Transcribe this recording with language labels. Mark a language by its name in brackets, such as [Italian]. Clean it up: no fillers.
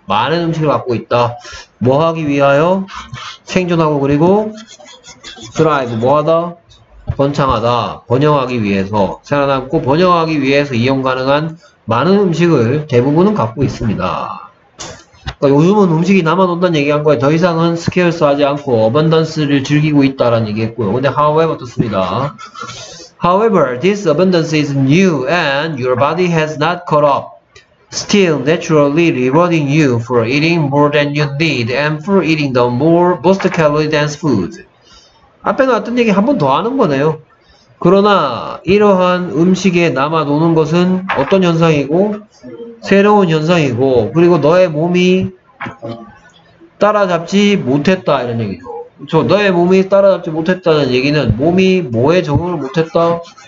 [Korean] 많은 음식을 갖고 있다. 뭐 하기 위하여? 생존하고 그리고 thrive. 뭐 하다? 번창하다. 번영하기 위해서. 살아남고 번영하기 위해서 이용 가능한 많은 음식을 대부분은 갖고 있습니다. 그러니까 요즘은 음식이 남아놓는다는 얘기한 거예요. 더 이상은 스케일스 하지 않고 어반던스를 즐기고 있다라는 얘기했고요. 근데 however 떴습니다. [English] However, this abundance is new and your body has not caught up. Still naturally rewarding you for eating more than you need and for eating the more most calorie dense food. [Korean] 앞에 나왔던 얘기 한 번 더 하는 거네요. 그러나 이러한 음식에 남아 노는 것은 어떤 현상이고 새로운 현상이고 그리고 너의 몸이 따라잡지 못했다 이런 얘기죠. 그렇죠? 너의 몸이 따라잡지 못했다는 얘기는 몸이 뭐에 적응을 못했다?